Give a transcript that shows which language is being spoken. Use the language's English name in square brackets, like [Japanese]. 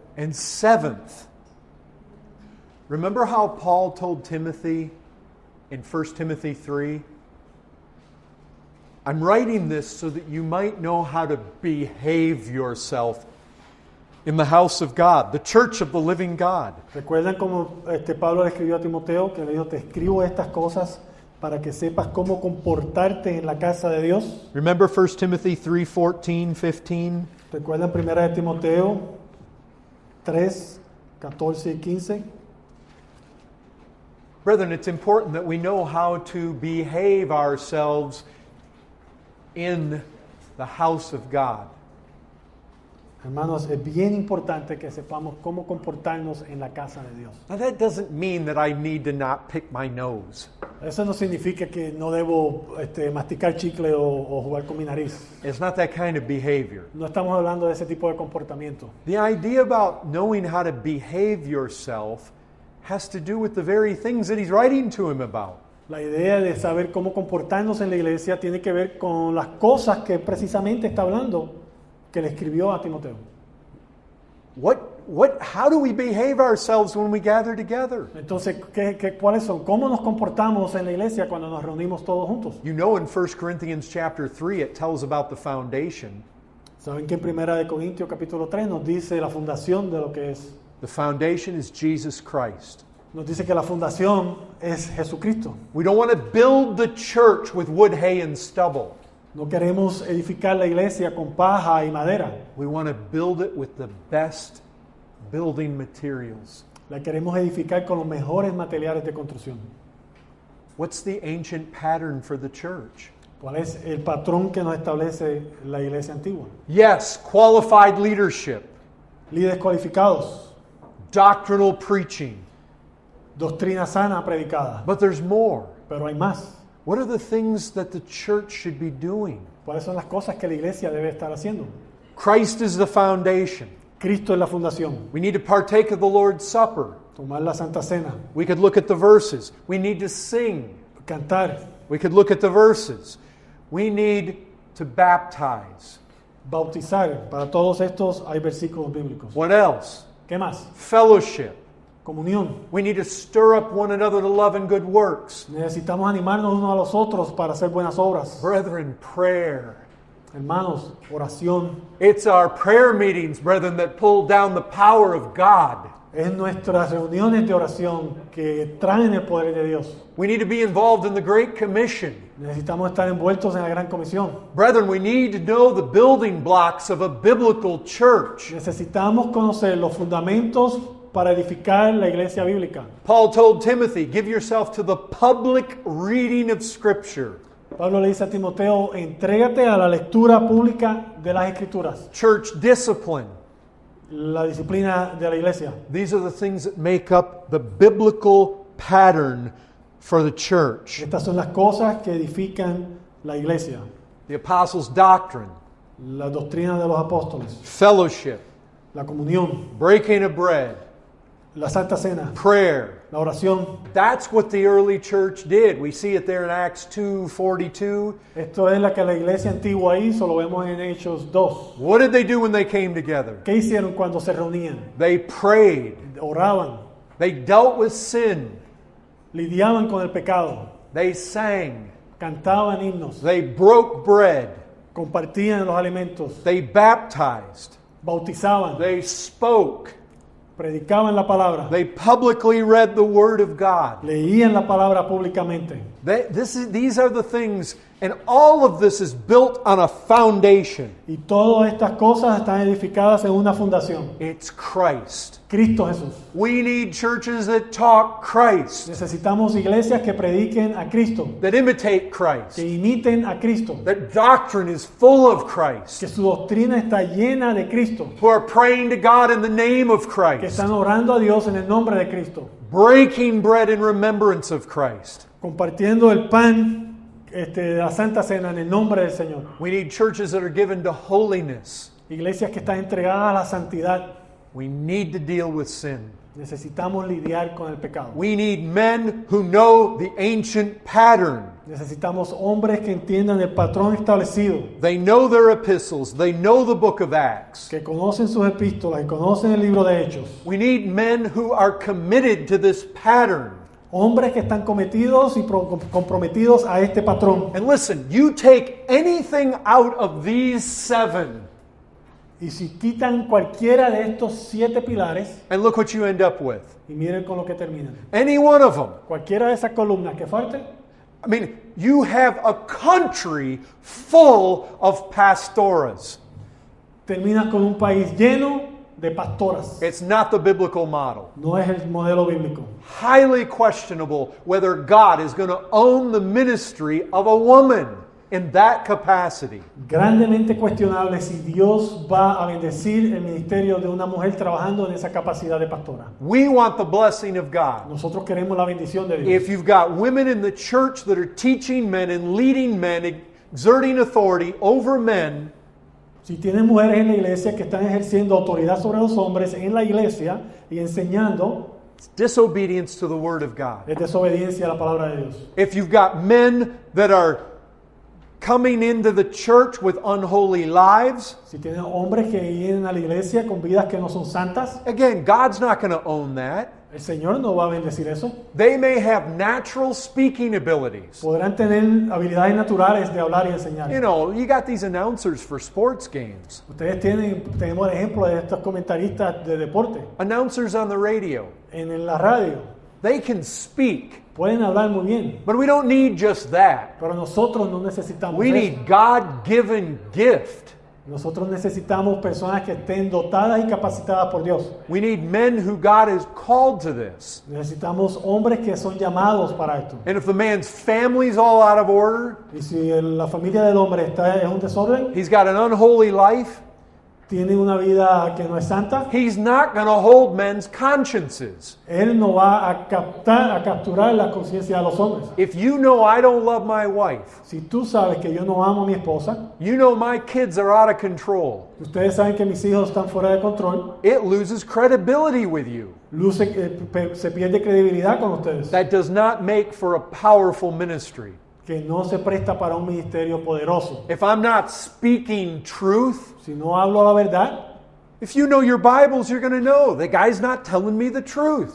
[English] And 7th, remember how Paul told Timothy in 1 Timothy 3? I'm writing this so that you might know how to behave yourself in the house of God, the church of the living God. [Spanish] ¿Recuerdan cómo Pablo le escribió a Timoteo? Que le dijo, te escribo estas cosas para que sepas cómo comportarte en la casa de Dios. [English] Remember 1 Timothy 3, 14, 15? [Spanish] ¿Recuerdan 1 Timoteo 3, 14 y 15? [English] Brethren, it's important that we know how to behave ourselves in the house of God. [Spanish] Hermanos, es bien importante que sepamos cómo comportarnos en la casa de Dios. [English] Now that doesn't mean that I need to not pick my nose. [Spanish] Eso no significa que no debo masticar chicle o jugar con mi nariz. [English] It's not that kind of behavior. [Spanish] No estamos hablando de ese tipo de comportamiento. [English] The idea about knowing how to behave yourself has to do with the very things that he's writing to him about. [Spanish] La idea de saber cómo comportarnos en la iglesia tiene que ver con las cosas que precisamente está hablando, que le escribió a Timoteo. [English] How do we behave ourselves when we gather together? [Spanish] Entonces, ¿cuáles son? ¿Cómo nos comportamos en la iglesia cuando nos reunimos todos juntos? [English] You know, in 1 Corinthians chapter 3, it tells about the foundation. [Spanish] ¿Saben que en 1 Corintios capítulo 3 nos dice la fundación de lo que es? [English] The foundation is Jesus Christ. [Spanish] Nos dice que la fundación es Jesucristo. [English] We don't want to build the church with wood, hay, and stubble. [Spanish] No queremos edificar la iglesia con paja y madera. [English] We want to build it with the best building materials. [Spanish] La queremos edificar con los mejores materiales de construcción. [English] What's the ancient pattern for the church? [Spanish] ¿Cuál es el patrón que nos establece la iglesia antigua? [English] Yes, qualified leadership. [Spanish] Líderes cualificados. [English] Doctrinal preaching. [Spanish] Doctrina sana predicada. [English] But there's more. [Spanish] Pero hay más. [English] What are the things that the church should be doing? [Spanish] ¿Cuáles son las cosas que la iglesia debe estar haciendo? [English] Christ is the foundation. [Spanish] Cristo es la fundación. [English] We need to partake of the Lord's Supper. [Spanish] Tomar la Santa Cena. [English] We could look at the verses. We need to sing. [Spanish] Cantar. [English] We could look at the verses. We need to baptize. [Spanish] Bautizar. Para todos estos hay versículos bíblicos. [English] What else? [Spanish] ¿Qué más? [English] Fellowship. [Spanish] Comunión. [English] We need to stir up one another to love and good works. [Spanish] Necesitamos animarnos unos a los otros para hacer buenas obras. [English] Brethren, prayer. [Spanish] Hermanos, oración. [English] It's our prayer meetings, brethren, that pull down the power of God. [Spanish] Es nuestras reuniones de oración que traen el poder de Dios. [English] We need to be involved in the Great Commission. [Spanish] Necesitamos estar envueltos en la Gran Comisión. [English] Brethren, we need to know the building blocks of a biblical church. [Spanish] Necesitamos conocer los fundamentos para edificar la iglesia bíblica. [English] Paul told Timothy, give yourself to the public reading of Scripture. [Spanish] Pablo le dice a Timoteo, entrégate a la lectura pública de las Escrituras. [English] Church discipline. [Spanish] La disciplina de la iglesia. [English] These are the things that make up the biblical pattern for the church. [Spanish] Estas son las cosas que edifican la iglesia. [English] The apostles' doctrine. [Spanish] La doctrina de los apóstoles. [English] Fellowship. [Spanish] La comunión. [English] Breaking of bread. [Spanish] La Santa Cena. [English] Prayer. [Spanish] La oración. [English] That's what the early church did. We see it there in Acts 2:42. [Spanish] Esto es lo que la iglesia antigua hizo. Lo vemos en Hechos 2. [English] What did they do when they came together? [Spanish] ¿Qué hicieron cuando se reunían? [English] They prayed. [Spanish] Oraban. [English] They dealt with sin. [Spanish] Lidiaban con el pecado. [English] They sang. [Spanish] Cantaban himnos. [English] They broke bread. [Spanish] Compartían los alimentos. [English] They baptized. [Spanish] Bautizaban. [English] They spoke. [Spanish] Predicaban la palabra. [English] They publicly read the word of God. [Spanish] Leían la palabra públicamente. [English] These are the things, and all of this is built on a foundation. [Spanish] Y todas estas cosas están edificadas en una fundación. [English] It's Christ. [Spanish] Cristo Jesús. [English] We need churches that talk Christ. [Spanish] Necesitamos iglesias que prediquen a Cristo. [English] That imitate Christ. [Spanish] Que imiten a Cristo. [English] That doctrine is full of Christ. [Spanish] Que su doctrina está llena de Cristo. [English] Who are praying to God in the name of Christ. [Spanish] Que están orando a Dios en el nombre de Cristo. [English] Breaking bread in remembrance of Christ. [Spanish] Compartiendo el pan, la Santa Cena en el nombre del Señor. [English] We need churches that are given to holiness. [Spanish] Iglesias que están entregadas a la santidad. [English] We need to deal with sin. [Spanish] Necesitamos lidiar con el pecado. [English] We need men who know the ancient pattern. [Spanish] Necesitamos hombres que entiendan el patrón establecido. [English] They know their epistles. They know the book of Acts. [Spanish] Que conocen sus epístolas y conocen el libro de Hechos. [English] We need men who are committed to this pattern. [Spanish] Hombres que están cometidos y comprometidos a este patrón. [English] And listen, you take anything out of these seven. [Spanish] Y si quitan cualquiera de estos siete pilares. [English] And look what you end up with. [Spanish] Y miren con lo que terminan. [English] Any one of them. [Spanish] Cualquiera de esas columnas que falten. [English] I mean, you have a country full of pastoras. [Spanish] Terminas con un país lleno de pastoras. [English] It's not the biblical model. [Spanish] No es el modelo bíblico. [English] Highly questionable whether God is going to own the ministry of a woman in that capacity. [Spanish] Grandemente cuestionable si Dios va a bendecir el ministerio de una mujer trabajando en esa capacidad de pastora. [English] We want the blessing of God. [Spanish] Nosotros queremos la bendición de Dios. [English] If you've got women in the church that are teaching men and leading men, exerting authority over men. [Spanish] Si tienen mujeres en la iglesia que están ejerciendo autoridad sobre los hombres en la iglesia y enseñando, [English] it's disobedience to the word of God. [Spanish] Es desobediencia a la palabra de Dios. [English] If you've got men that are coming into the church with unholy lives, [Spanish] si tienen hombres que vienen a la iglesia con vidas que no son santas, [English] again, God's not going to own that. [Spanish] El Señor no va a bendecir eso. [English] They may have natural speaking abilities. [Spanish] Podrán tener habilidades naturales de hablar y enseñar. [English] You know, you got these announcers for sports games. [Spanish] Ustedes tenemos el ejemplo de estos comentaristas de deporte. [English] Announcers on the radio. [Spanish] En la radio. [English] They can speak. [Spanish] Pueden hablar muy bien. [English] But we don't need just that. [Spanish] Pero nosotros no necesitamos [English] we [Spanish] eso. [English] We need God-given gift. [Spanish] Nosotros necesitamos personas que estén dotadas y capacitadas por Dios. [English] We need men who God has called to this. [Spanish] Necesitamos hombres que son llamados para esto. [English] And if the man's family's all out of order, [Spanish] y si la familia del hombre está en un desorden, [English] he's got an unholy life, [Spanish] tiene una vida que no es santa, [English] he's not going to hold men's consciences. [Spanish] Él no va a capturar la conciencia de los hombres. [English] If you know I don't love my wife, [Spanish] si tú sabes que yo no amo a mi esposa, [English] you know my kids are out of control, [Spanish] ustedes saben que mis hijos están fuera de control, [English] it loses credibility with you. [Spanish] Se pierde credibilidad con ustedes. [English] That does not make for a powerful ministry. [Spanish] Que no se presta para un ministerio poderoso. [English] If I'm not speaking truth, [Spanish] si no hablo la verdad, [English] if you know your Bibles, you're going to know the guy's not telling me the truth.